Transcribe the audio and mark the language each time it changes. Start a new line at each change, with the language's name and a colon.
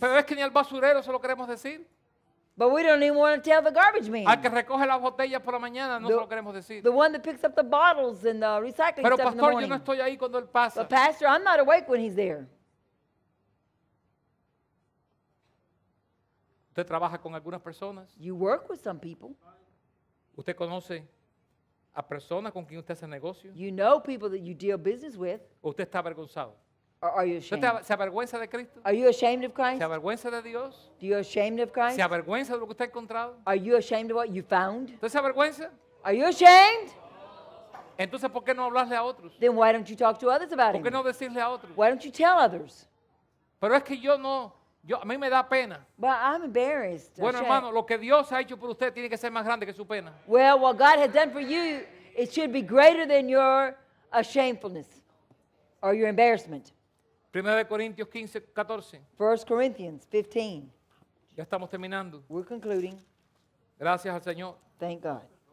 Spanish: Pero es que ni al basurero se lo queremos decir.
English: But we don't even want to tell the garbage man.
Spanish: Al que recoge las botellas por la mañana, no se lo queremos decir.
English: The one that picks up the bottles and the recycling
Spanish: Pero
English: stuff
Spanish: pastor,
English: in the morning.
Spanish: Pero pastor, yo no estoy ahí cuando él pasa.
English: But pastor, I'm not awake when he's there.
Spanish: Usted trabaja con algunas personas.
English: You work with some people.
Spanish: Usted conoce a personas con quien usted hace negocio.
English: You know people that you deal business with.
Spanish: Usted está avergonzado.
English: Or are you ashamed?
Spanish: ¿Se avergüenza de Cristo?
English: Are you ashamed of Christ?
Spanish: ¿Se avergüenza de Dios?
English: Do you ashamed of Christ?
Spanish: ¿Se avergüenza de lo que usted ha encontrado?
English: Are you ashamed of what you found?
Spanish: ¿Se avergüenza?
English: Are you ashamed?
Spanish: Entonces, ¿por qué no hablarle a otros?
English: Then why don't you talk to others about
Spanish: ¿Por qué no decirle a otros?
English: Why don't you tell others?
Spanish: Pero es que yo no, yo a mí me da pena.
English: But I'm embarrassed.
Spanish: Bueno, hermano, lo que Dios ha hecho por usted tiene que ser más grande que su pena.
English: Well, what God has done for you, it should be greater than your shamefulness or your embarrassment.
Spanish: 1 Corintios 15, 14.
English: 1 Corinthians 15.
Spanish: Ya estamos terminando.
English: We're concluding.
Spanish: Gracias al Señor.
English: Thank God.